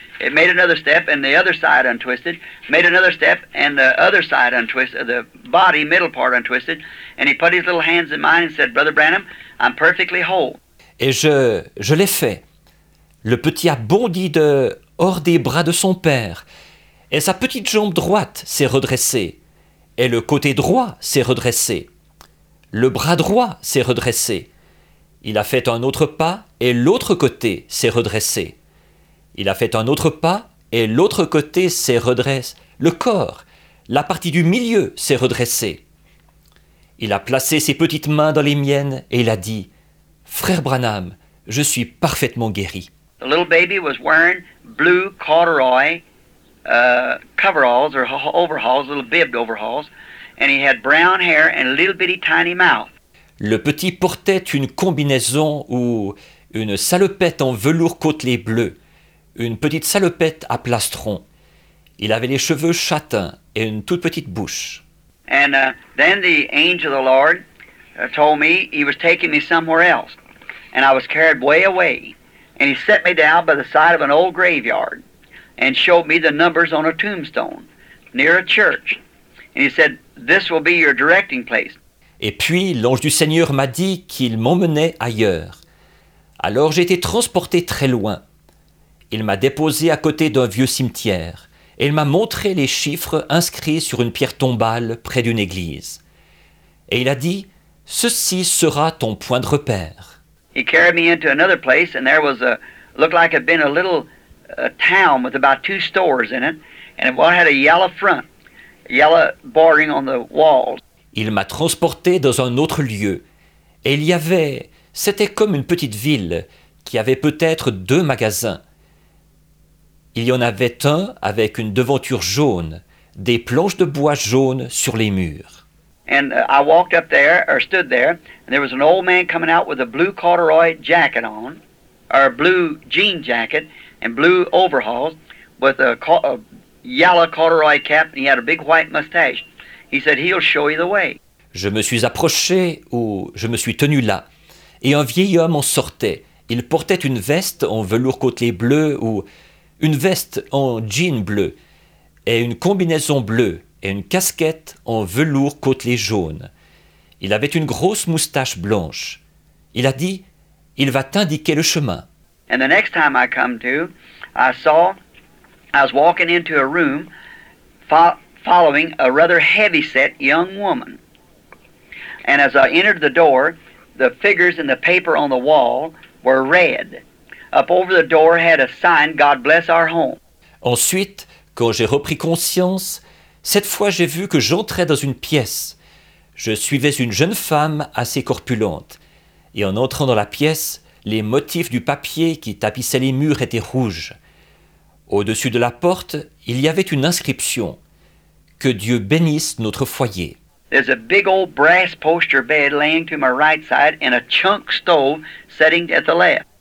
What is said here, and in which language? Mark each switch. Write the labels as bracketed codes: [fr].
[en] It made another step, and the other side untwisted, made another step, and the other side untwisted, the body, middle part untwisted, and he put his little hands in mine and said, Brother Branham, I'm perfectly whole. [fr] Et je l'ai fait. Le petit a bondi de hors des bras de son père. Et sa petite jambe droite s'est redressée. Et le côté droit s'est redressé. Le bras droit s'est redressé. Il a fait un autre pas et l'autre côté s'est redressé. Il a fait un autre pas et l'autre côté s'est redressé. Le corps, la partie du milieu s'est redressée. Il a placé ses petites mains dans les miennes et il a dit, Frère Branham, je suis parfaitement guéri. [en] The little baby was wearing blue corduroy. Coveralls or overalls, little bibbed overalls, and he had brown hair and a little bitty tiny mouth. [fr] Le petit portait une combinaison ou une salopette en velours côtelé bleu, une petite salopette à plastron. Il avait les cheveux châtains et une toute petite bouche. [en] And then the angel of the Lord told me he was taking me somewhere else, and I was carried way away, and he set me down by the side of an old graveyard. And showed me the numbers on a tombstone near a church. And he said, this will be your directing place. [fr] Et puis l'ange du Seigneur m'a dit qu'il m'emmenait ailleurs. Alors j'ai été transporté très loin. Il m'a déposé à côté d'un vieux cimetière. Et il m'a montré les chiffres inscrits sur une pierre tombale près d'une église. Et il a dit, ceci sera ton point de repère. [en] He carried me into another place and there was a, looked like it had been a little... a town with about two stores in it, and it had a yellow front, yellow bordering on the walls. [fr] Il m'a transporté dans un autre lieu, et il y avait, c'était comme une petite ville, qui avait peut-être deux magasins. Il y en avait un avec une devanture jaune, des planches de bois jaunes sur les murs. [en] And I walked up there, or stood there, and there was an old man coming out with a blue corduroy jacket on, or a blue jean jacket, and blue overalls with a yellow corduroy cap, and he had a big white mustache. He said, he'll show you the way. [fr] Je me suis approché, ou je me suis tenu là, et un vieil homme en sortait. Il portait une veste en velours côtelé bleu, ou une veste en jean bleu, et une combinaison bleue, et une casquette en velours côtelé jaune. Il avait une grosse moustache blanche. Il a dit, il va t'indiquer le chemin. [en] And the next time I come to, I was walking into a room following a rather heavy-set young woman. And as I entered the door, the figures in the paper on the wall were red. Up over the door had a sign, God bless our home. [fr] Ensuite, quand j'ai repris conscience, cette fois j'ai vu que j'entrais dans une pièce. Je suivais une jeune femme assez corpulente. Et en entrant dans la pièce, les motifs du papier qui tapissait les murs étaient rouges. Au-dessus de la porte, il y avait une inscription. Que Dieu bénisse notre foyer. [en] There's a big old brass poster bed laying to my right side and a chunk stove sitting at the left.